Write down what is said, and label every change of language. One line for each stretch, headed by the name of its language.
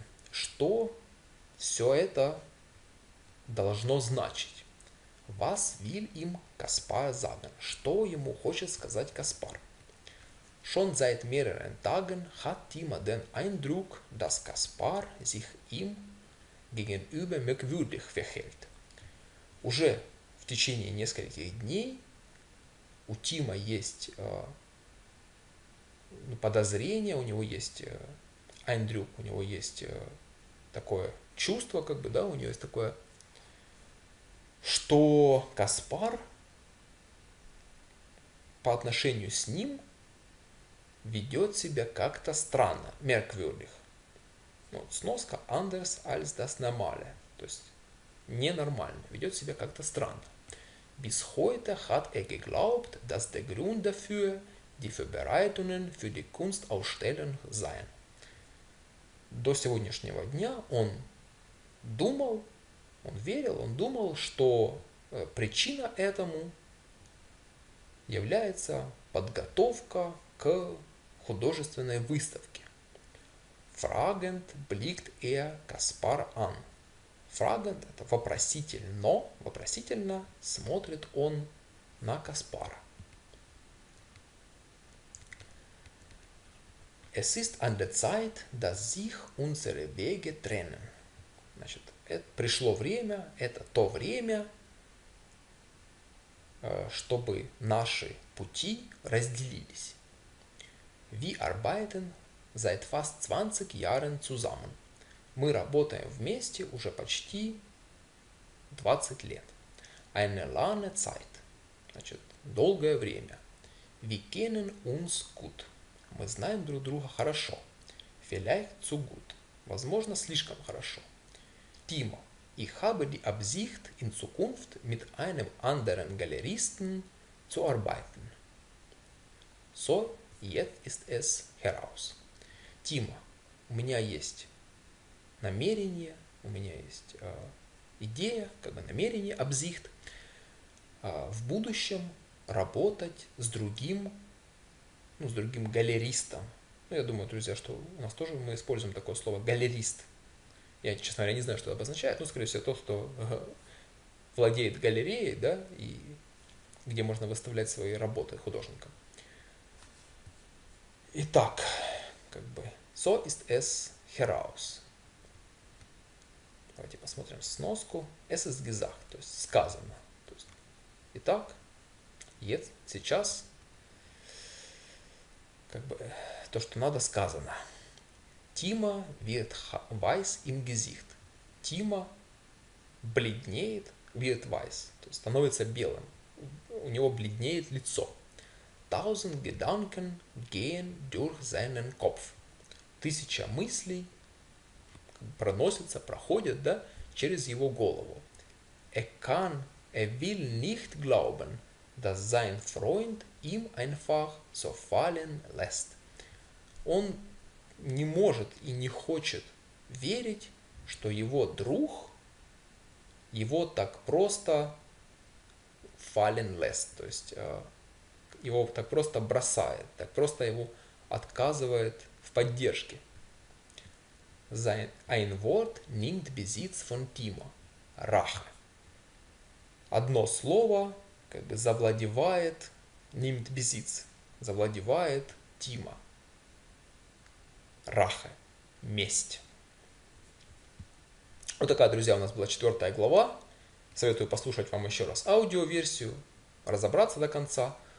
Russian: Что все это должно значить?
German: Was will ihm Kaspar sagen?
Russian: Что ему хочет сказать Kaspar?
German: Schon seit mehreren Tagen hat Timo den Eindruck, dass Kaspar sich ihm gegenüber merkwürdig verhält.
Russian: Уже в течение нескольких дней у Тима есть подозрение, у него есть Eindruck, у него есть такое чувство, как бы, да, у нее есть такое, что Каспар по отношению с ним ведет себя как-то странно, merkwürdig. Ну, вот сноска
German: anders als das normale,
Russian: то есть ненормально, ведет себя как-то странно.
German: Bis heute hat geglaubt, dass der Grund dafür die Vorbereitungen für die Kunstausstellung seien.
Russian: До сегодняшнего дня он думал, он верил, он думал, что причина этому является подготовка к художественной выставке.
German: Fragend blickt er Kaspar an.
Russian: Fragend – это вопроситель, но вопросительно смотрит он на Каспара.
German: Es ist an der Zeit, dass sich unsere Wege trennen.
Russian: Значит, пришло время, это то время, чтобы наши пути разделились.
German: Wir arbeiten seit fast 20 Jahren zusammen.
Russian: Мы работаем вместе уже почти 20 лет.
German: Eine lange Zeit.
Russian: Значит, долгое время.
German: Wir kennen uns gut.
Russian: Мы знаем друг друга хорошо.
German: Vielleicht zu gut.
Russian: Возможно, слишком хорошо. Тима.
German: Ich habe die Absicht, in Zukunft mit einem anderen Galeristen zu arbeiten. So, jetzt ist es heraus.
Russian: Тима, у меня есть намерение, у меня есть идея, как бы намерение, Absicht, в будущем работать с другим, ну, с другим галеристом. Ну, я думаю, друзья, что у нас тоже мы используем такое слово «галерист». Я, честно говоря, не знаю, что это обозначает, но, скорее всего, тот, кто владеет галереей, да, и где можно выставлять свои работы художника. Итак, как бы,
German: so ist es heraus.
Russian: Давайте посмотрим сноску.
German: Es ist gesagt,
Russian: то есть сказано. То есть, итак, jetzt, сейчас, как бы, то, что надо, сказано.
German: Тима wird weiß im Gesicht.
Russian: Тима бледнеет,
German: wird weiß,
Russian: то есть становится белым. У него бледнеет лицо.
German: Tausend Gedanken gehen durch seinen Kopf.
Russian: Тысяча мыслей проносится, проходит, да, через его голову.
German: Er kann, er will nicht glauben, dass sein Freund ihm einfach so fallen lässt.
Russian: Он не может и не хочет верить, что его друг его так просто
German: fallen lässt,
Russian: то есть его так просто бросает, так просто его отказывает в поддержке.
German: Ein Wort nimmt Besitz von Timo. Rache.
Russian: Одно слово как бы завладевает,
German: nimmt Besitz,
Russian: завладевает Тима. Рахе. Месть. Вот такая, друзья, у нас была четвертая глава. Советую послушать вам еще раз аудиоверсию, разобраться до конца.